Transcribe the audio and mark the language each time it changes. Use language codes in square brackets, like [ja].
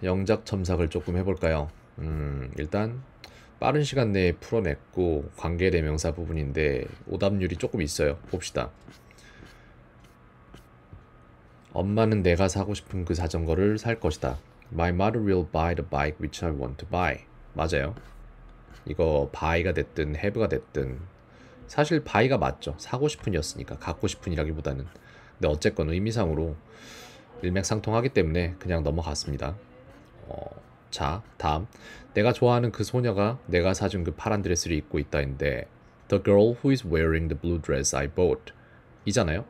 [ko] 영작 첨삭을 조금 해볼까요? 일단 빠른 시간 내에 풀어냈고 관계대명사 부분인데 오답률이 조금 있어요. 봅시다. 엄마는 내가 사고 싶은 그 자전거를 살 것이다. [en] My mother will buy the bike which I want to buy. [ko] 맞아요. 이거 buy가 됐든 have가 됐든 사실 buy가 맞죠. 사고 싶은이었으니까 갖고 싶은이라기보다는. 근데 어쨌건 의미상으로 일맥상통하기 때문에 그냥 넘어갔습니다. 자, 다음. 내가 좋아하는 그 소녀가 내가 사준 그 파란 드레스를 입고 있다인데, [en] The girl who is wearing the blue dress I bought. [ko] 이잖아요?